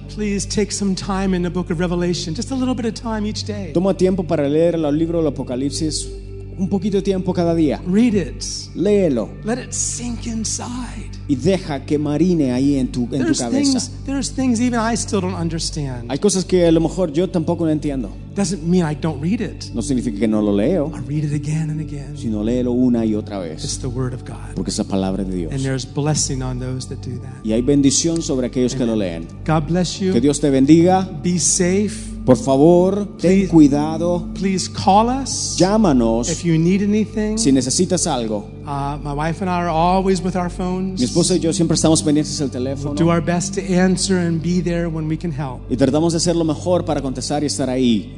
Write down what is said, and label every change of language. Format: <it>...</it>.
<en>Please take some time in the book of Revelation. Just a little bit of time each day.</en> <es>Toma tiempo para leer el libro del Apocalipsis. Un poquito de tiempo cada día.</es> <en>Read it.</en> <es>Léelo.</es> <en>Let it sink inside.</en> <es>Y deja que marine ahí en tu cabeza.</es> <en>There's things even I still don't understand.</en> <es>Hay cosas que a lo mejor yo tampoco no entiendo.</es> <en>Doesn't mean I don't read it.</en> <es>No significa que no lo leo.</es> <en>I read it again and again.</en> <es>Sino léelo una y otra vez.</es> <en>It's the word of God.</en> <es>Porque es la palabra de Dios.</es> <en>And there's blessing on those that do that.</en> <es>Y hay bendición sobre aquellos Amen. Que lo leen.</es> <en>God bless you.</en> <es>Que Dios te bendiga.</es> <en>Be safe.</en> <es>Por favor,</es> <en>please,</en> <es>ten cuidado.</es> <en>Please call us.</en> <es>Llámanos.</es> <en>If you need anything.</en> <es>Si necesitas algo.</es> <en>My wife and I are always with our phones.</en> <es>Mi esposa y yo siempre estamos pendientes del teléfono.</es> <en>We'll do our best to answer and be there when we can help.</en> <es>Y tratamos de hacer lo mejor para contestar y estar ahí.</es>